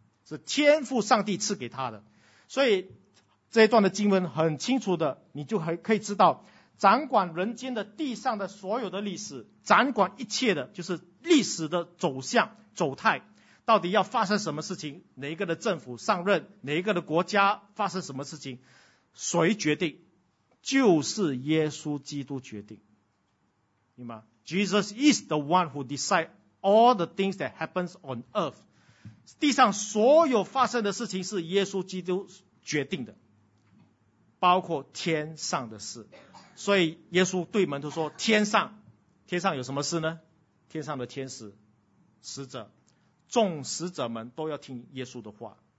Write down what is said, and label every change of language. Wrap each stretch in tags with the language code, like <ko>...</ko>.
<zh>是天父上帝赐给他的。所以这一段的经文很清楚的，你就可以知道掌管人间的地上的所有的历史，掌管一切的就是历史的走向走态，到底要发生什么事情，哪一个的政府上任，哪一个的国家发生什么事情，谁决定？就是耶稣基督决定，明白？</zh> <en>Jesus is the one who decides all the things that happens on earth。</en> <zh>地上所有发生的事情是耶稣基督决定的，包括天上的事。所以耶稣对门徒说，天上，天上有什么事呢？天上的天使、使者，众使者们都要听耶稣的话。</zh>